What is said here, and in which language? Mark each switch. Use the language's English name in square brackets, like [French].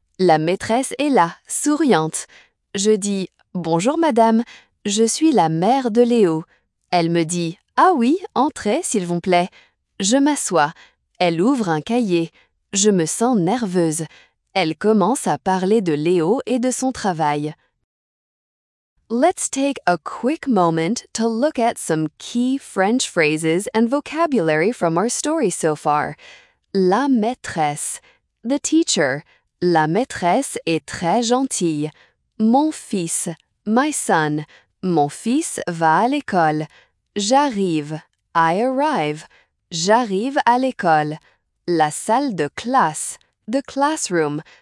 [French] La maîtresse est là, souriante. Je dis « Bonjour madame, je suis la mère de Léo ». Elle me dit « Ah oui, entrez s'il vous plaît ». Je m'assois. Elle ouvre un cahier. Je me sens nerveuse. Elle commence à parler de Léo et de son travail. [English] Let's take a quick moment to look at some key French phrases and vocabulary from our story so far. [French] La maîtresse. [English] The teacher. [French] La maîtresse est très gentille. Mon fils. [English] My son. [French] Mon fils va à l'école. J'arrive. [English] I arrive. [French] J'arrive à l'école. La salle de classe. [English] The classroom.